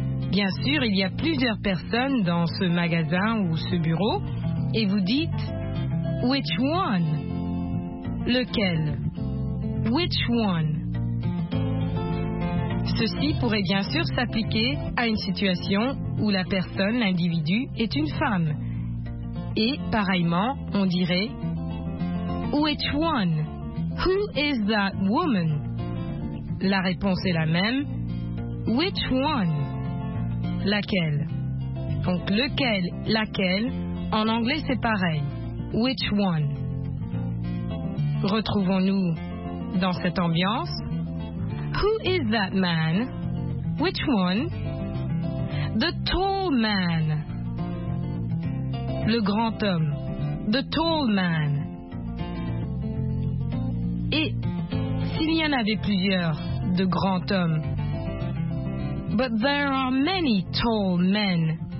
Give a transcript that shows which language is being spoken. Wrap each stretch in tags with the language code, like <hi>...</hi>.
<fr>Bien sûr, il y a plusieurs personnes dans ce magasin ou ce bureau et vous dites,</fr> <en>which one?</en> <fr>Lequel?</fr> <en>Which one?</en> <fr>Ceci pourrait bien sûr s'appliquer à une situation où la personne, l'individu, est une femme. Et pareillement, on dirait,</fr> <en>which one? Who is that woman?</en> <fr>La réponse est la même,</fr> <en>which one?</en> <fr>Laquelle? Donc, lequel, laquelle, en anglais, c'est pareil.</fr> <en>Which one?</en> <fr>Retrouvons-nous dans cette ambiance.</fr> <en>Who is that man? Which one? The tall man.</en> <fr>Le grand homme.</fr> <en>The tall man.</en> <fr>Et s'il y en avait plusieurs de grand homme?</fr> <en>But there are many tall men.</en>